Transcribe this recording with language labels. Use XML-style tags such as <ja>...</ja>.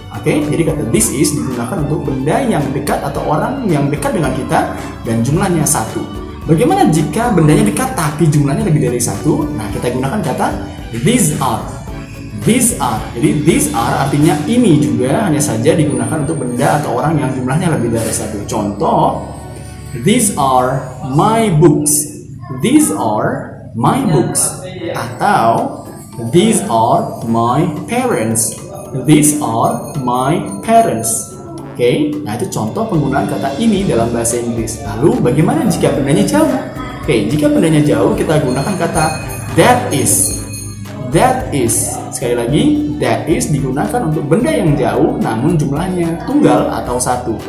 <id>Oke, okay, jadi kata this is digunakan untuk benda yang dekat atau orang yang dekat dengan kita dan jumlahnya satu. Bagaimana jika bendanya dekat tapi jumlahnya lebih dari satu? Nah, kita gunakan kata these are. These are. Jadi these are artinya ini juga, hanya saja digunakan untuk benda atau orang yang jumlahnya lebih dari satu.</id> <en>Contoh, these are my books. These are my books. Atau these are my parents. These are my parents. Oke, okay?</en> <id>Nah itu contoh penggunaan kata ini dalam bahasa Inggris. Lalu bagaimana jika bendanya jauh? Oke, okay, jika bendanya jauh kita gunakan kata that is. That is. Sekali lagi, that is digunakan untuk benda yang jauh namun jumlahnya tunggal atau satu.</id>